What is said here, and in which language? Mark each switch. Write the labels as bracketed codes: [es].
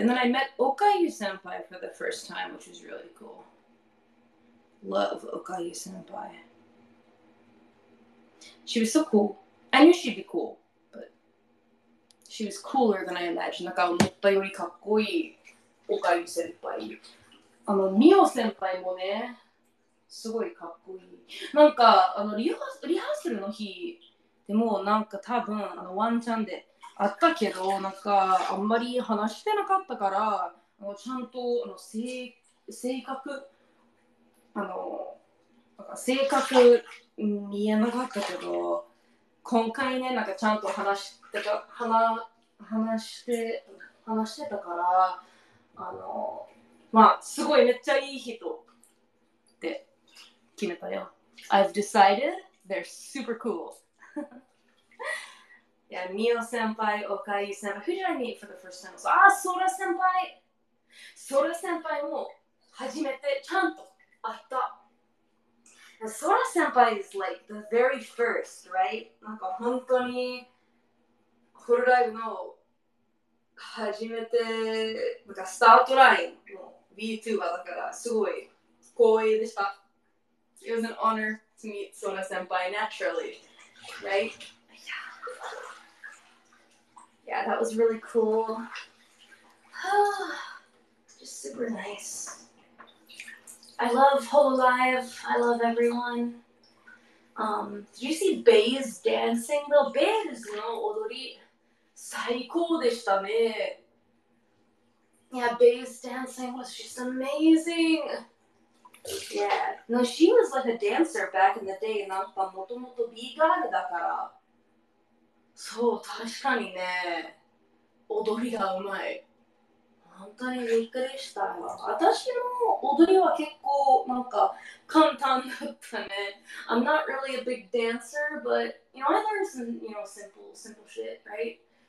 [en] And then I met Okayu-senpai for the first time, which is really cool. Love Okayu-senpai. She was so cool. I knew she'd be cool, but she was cooler than I imagined. [ja] なんか思ったよりかっこいい Okayu-senpai。あの、ミオ先輩もね、すごいかっこいい。なんか、あの、リハーサルの日でも、なんか多分、あの、ワンチャンで会ったけど、なんか、あんまり話してなかったから、あのちゃんと、あの、性格、あの、なんか性格見えなかったけど、今回ね、なんかちゃんと話してたから、あの、まあ、すごいめっちゃいい人って決めたよ。 [en] I've decided they're super cool. Yeah, Mio 先輩、Okai 先輩、Who did I meet for the first time? [ja] ああ、Sora 先輩。Sora 先輩も初めてちゃんと会った。 [en] Sora 先輩 is like the very first, right? [ja] なんか本当にホロライブの初めて、なんかスタートライン。 VTuber だからすごい光栄でした。 [en] It was an honor to meet Sona Senpai naturally, right? Yeah, that was really cool. Just super nice. I love Hololive. I love everyone. Did you see Bae's dancing though? [ja] Bae's の踊り最高でしたね。 [en] Yeah, Bae's dancing was just amazing. Yeah. No, she was like a dancer back in the day. [ja] なんかもともと B-girl だから。そう、確かにね。踊りがうまい。本当にびっくりした。私も踊りは結構なんか簡単だったね。 [en] I'm not really a big dancer, but, you know, I learned some, you know, simple shit, right?